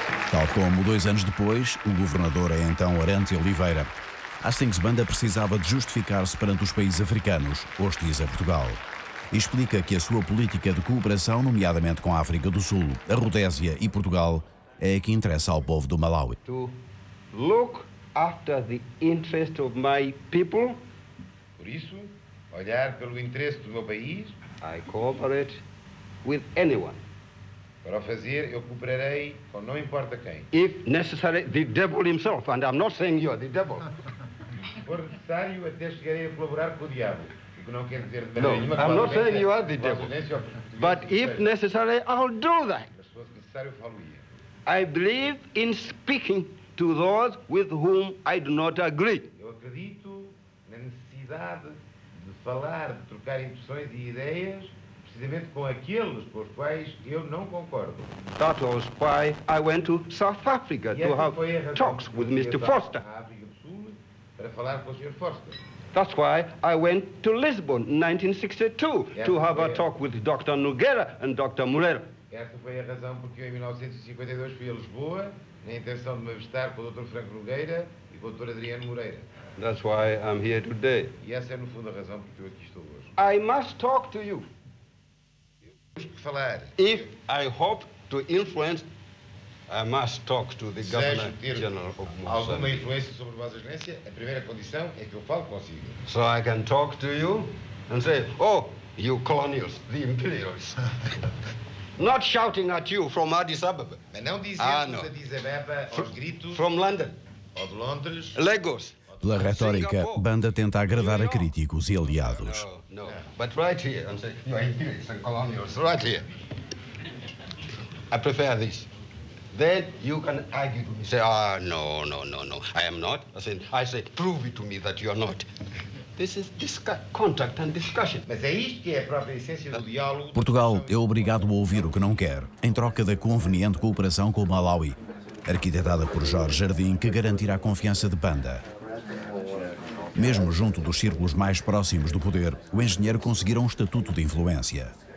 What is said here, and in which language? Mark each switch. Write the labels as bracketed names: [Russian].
[Portuguese] Tal como dois anos depois, o governador é então Arantes Oliveira, Hastings Banda precisava de justificar-se perante os países africanos, hostis a Portugal. Explica que a sua política de cooperação, nomeadamente com a África do Sul, a Rodésia e Portugal, é a que interessa ao povo do Malawi. [English] To look after the interest of my people. [Portuguese] Por isso, olhar pelo interesse do meu país. [English] I cooperate with anyone. [Portuguese] Para o fazer, eu cooperarei com não importa quem. [English] If necessary, the devil himself, and I'm not saying you, the devil. [Portuguese] Por necessário, até chegarei a colaborar com o diabo. O que não quer dizer de nenhuma forma. [English] I'm not saying you are the devil. But if necessary, I'll do that. [Portuguese] Mas se fosse necessário, falo-lhe. [English] I believe in speaking to those with whom I do not agree. [Portuguese] Eu acredito na necessidade de falar, de trocar impressões e ideias, precisamente com aqueles com os quais eu não concordo. [English] That was why I went to South Africa to have talks with Mr. Foster. [Portuguese] Para falar com o Sr. Foster. [English] That's why I went to Lisbon in 1962 to have a talk with Dr. Nogueira and Dr. Moreira. [Portuguese] Essa foi a razão porque eu em 1952 fui a Lisboa na intenção de me avistar com o Dr. Franco Nogueira e com o Dr. Adriano Moreira. [English] That's why I'm here today. [Portuguese] E essa é no fundo a razão porque eu aqui estou hoje. [English] I must talk to you. [Portuguese] Temos que falar. [English] If I hope to influence, I must talk to the Governor General of Moçambique. [Portuguese] Alguma influência sobre a Vossa Excelência, a primeira condição é que eu falo consigo. [English] So I can talk to you and say, oh, you colonials, the imperialists. Not shouting at you from Addis Ababa. [Portuguese] Mas não dizendo-nos Addis Ababa aos gritos. [English] From London. [Portuguese] Ou de Londres. [English] Lagos. [Portuguese] Pela retórica, Banda tenta agradar a críticos e aliados. [English] No. But right here, and say, you are imperialists and colonials, right here. I prefer this. Then you can argue to me. Say, no, I am not. I say, prove it to me that you are not. This is contact and discussion. [Portuguese] Mas é isto que é a própria essência do diálogo. Portugal é obrigado a ouvir o que não quer, em troca da conveniente cooperação com o Malawi, arquitetada por Jorge Jardim, que garantirá a confiança de Banda. Mesmo junto dos círculos mais próximos do poder, o engenheiro conseguirá um estatuto de influência.